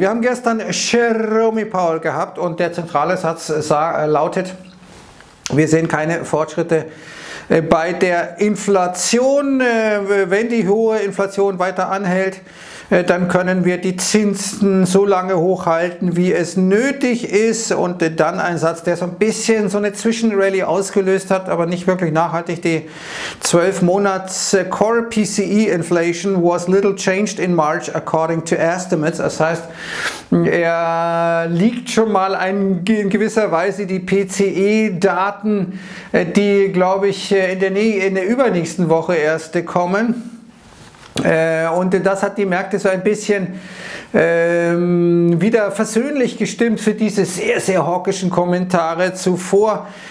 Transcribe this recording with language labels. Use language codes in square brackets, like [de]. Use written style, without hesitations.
[de] Wir haben gestern Jerome Powell gehabt und der zentrale Satz lautet, wir sehen keine Fortschritte bei der Inflation, wenn die hohe Inflation weiter anhält. Dann können wir die Zinsen so lange hochhalten, wie es nötig ist. Und dann ein Satz, der so ein bisschen so eine Zwischenrallye ausgelöst hat, aber nicht wirklich nachhaltig. [en] Die 12-Monats-Core-PCE-Inflation was little changed in March according to estimates. [de] Das heißt, er liegt schon mal in gewisser Weise die PCE-Daten, die, glaube ich, in der übernächsten Woche erst kommen. Und das hat die Märkte so ein bisschen wieder versöhnlich gestimmt für diese sehr, sehr hawkischen Kommentare zuvor.